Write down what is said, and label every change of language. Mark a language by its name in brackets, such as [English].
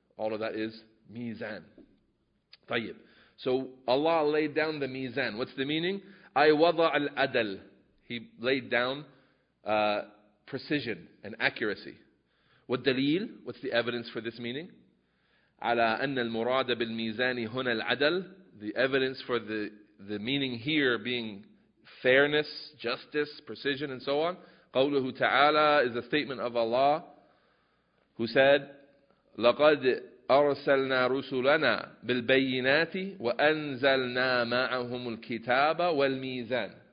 [English] All of that is mizan. [Arabic] طيب. [English] So Allah laid down the mizan. What's the meaning? [Arabic] I wada al-adal. [English] He laid down precision and accuracy. والدليل, what's the evidence for this meaning? [Arabic] على أن المراد بالميزان هنا العدل. [English] The evidence for the meaning here being fairness, justice, precision, and so on. [Arabic] قوله تعالى [English] is a statement of Allah who said, [Arabic] لقد أرسلنا رسلنا بالبينات وأنزلنا معهم الكتاب والميزان.